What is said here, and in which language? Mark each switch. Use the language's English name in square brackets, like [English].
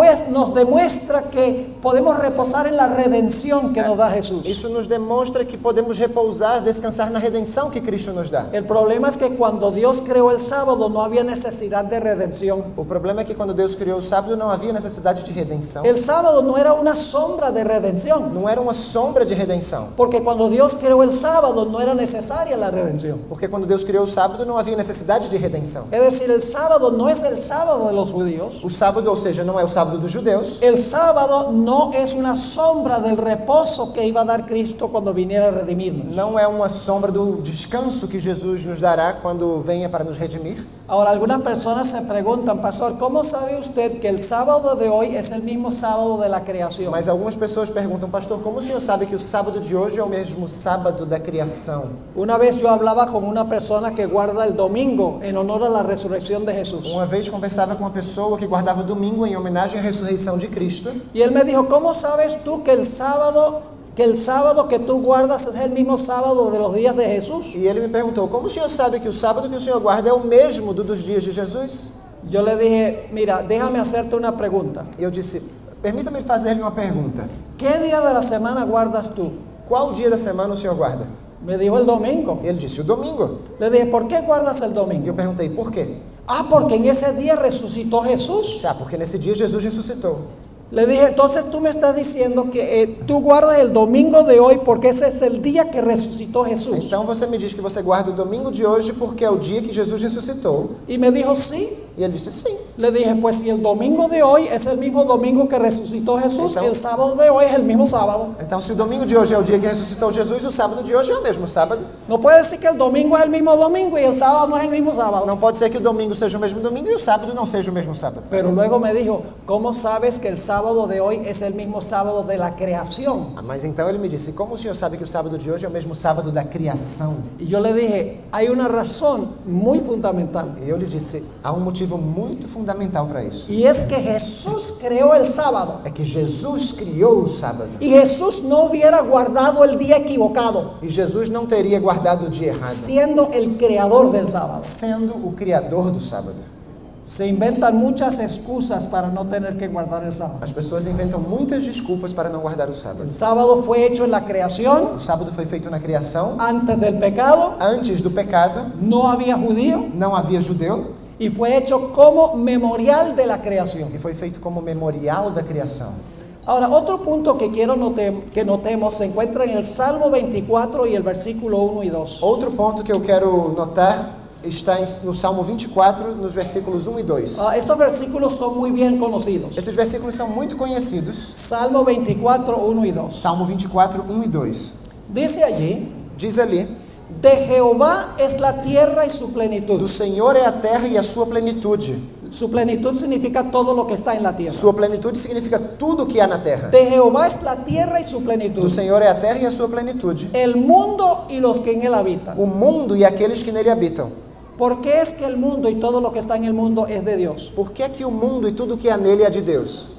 [Spanish] Nos demuestra que podemos reposar en la redención que nos da Jesús. [Portuguese] Isso nos demonstra que podemos repousar, descansar na redenção que Cristo nos dá. [Spanish] El problema es que cuando Dios creó el sábado no había necesidad de redención. [Portuguese] O problema é que quando Deus criou o sábado não havia necessidade de redenção. [Spanish] El sábado no era una sombra de redención. [Portuguese] Não era uma sombra de redenção. [Spanish] Porque cuando Dios creó el sábado no era necesaria la redención. [Portuguese] Porque quando Deus criou o sábado não havia necessidade de redenção. [Spanish] Es decir, el sábado no es el sábado de los judíos. [Portuguese] O sábado, ou seja, não é o sábado dos judeus. [Spanish] El sábado no es una sombra del reposo que iba a dar Cristo cuando viniera a redimirnos. [Portuguese] Não é uma sombra do descanso que Jesus nos dará quando venha para nos redimir. [Spanish] Ahora algunas personas se preguntan, pastor, ¿cómo sabe usted que el sábado de hoy es el mismo sábado de la creación? [Portuguese] Mas algumas pessoas perguntam, pastor, como o senhor sabe que o sábado de hoje é o mesmo sábado da criação? [Spanish] Una vez yo hablaba con una persona que guarda el domingo en honor a la resurrección de Jesús. [Portuguese] Uma vez conversava com uma pessoa que guardava domingo em homenagem à ressurreição de Cristo. E ele me disse: [Spanish] "Como sabes tu que el sábado que tú guardas es el mismo sábado de los días de Jesús?" [Portuguese] E ele me perguntou: "Como o senhor sabe que o sábado que o senhor guarda é o mesmo dos dias de Jesus?" [Spanish] Yo le dije: "Mira, déjame hacerte una pregunta." [Portuguese] Eu disse: "Permita-me fazer-lhe uma pergunta. [Spanish] ¿Qué día de la semana guardas tú?" [Portuguese] Qual dia da semana o senhor guarda? [Spanish] Me dijo: "El domingo." [Portuguese] Ele disse: "O domingo." [Spanish] Le dije: "¿Por qué guardas el domingo?" [Portuguese] Eu perguntei: "Por quê?" [Spanish] Ah, porque en ese día resucitó Jesús. [Portuguese] Ah, porque nesse dia Jesus ressuscitou. [Spanish] Le dije: "Entonces tú me estás diciendo que tú guardas el domingo de hoy porque ese es el día que resucitó Jesús." [Portuguese] Então você me diz que você guarda o domingo de hoje porque é o dia que Jesus ressuscitou. [Spanish] Y me dijo: "Sí." [Portuguese] E ele disse: "Sim." [Spanish] Le dije: "Pues si el domingo de hoy es el mismo domingo que resucitó Jesús, el sábado de hoy es el mismo sábado." [Portuguese] Então se o domingo de hoje é o dia que ressuscitou Jesus, o sábado de hoje é o mesmo sábado. [Spanish] No puede ser que el domingo es el mismo domingo y el sábado no es el mismo sábado. [Portuguese] Não pode ser que o domingo seja o mesmo domingo e o sábado não seja o mesmo sábado. [Spanish] Pero luego me dijo: "¿Cómo sabes que el sábado de hoy es el mismo sábado de la creación?" [Portuguese] Ah, mas então ele me disse: "Como o senhor sabe que o sábado de hoje é o mesmo sábado da criação?" [Spanish] Y yo le dije: "Hay una razón muy fundamental." [Portuguese] E eu lhe disse: "Há um motivo muito fundamental para isso." [Spanish] Y es que Jesús creó el sábado. [Portuguese] É que Jesus criou o sábado. [Spanish] Y Jesús no hubiera guardado el día equivocado. [Portuguese] E Jesus não teria guardado o dia errado. [Spanish] Siendo el creador del sábado. [Portuguese] Sendo o criador do sábado. [Spanish] Se inventan muchas excusas para no tener que guardar el sábado. [Portuguese] As pessoas inventam muitas desculpas para não guardar o sábado. [Spanish] El sábado fue hecho en la creación. [Portuguese] O sábado foi feito na criação. [Spanish] Antes del pecado. [Portuguese] Antes do pecado. [Spanish] No había judío. [Portuguese] Não havia judeu. [Spanish] Y fue hecho como memorial de la creación. [Portuguese] E foi feito como memorial da criação. [Spanish] Ahora, otro punto que quiero que notemos se encuentra en el Salmo 24 y el versículo 1 y 2. [Portuguese] Outro ponto que eu quero notar está no Salmo 24, nos versículos 1 e 2. [Spanish] Estos versículos son muy bien conocidos. [Portuguese] Esses versículos são muito conhecidos. [Spanish] Salmo 24, 1 y 2. [Portuguese] Salmo 24, 1 e 2. [Spanish] Dice allí, [Portuguese] diz ali: [Spanish] "De Jehová es la tierra y su plenitud." [Portuguese] Do Senhor é a terra e a sua plenitude. [Spanish] Su plenitud significa todo lo que está en la tierra. [Portuguese] Sua plenitude significa tudo que há na terra. [Spanish] "De Jehová es la tierra y su plenitud." [Portuguese] Do Senhor é a terra e a sua plenitude. [Spanish] "El mundo y los que en él habitan." [Portuguese] O mundo e aqueles que nele habitam. [Spanish] ¿Por qué es que el mundo y todo lo que está en el mundo es de Dios? [Portuguese] Por que é que o mundo e tudo que há nele é de Deus?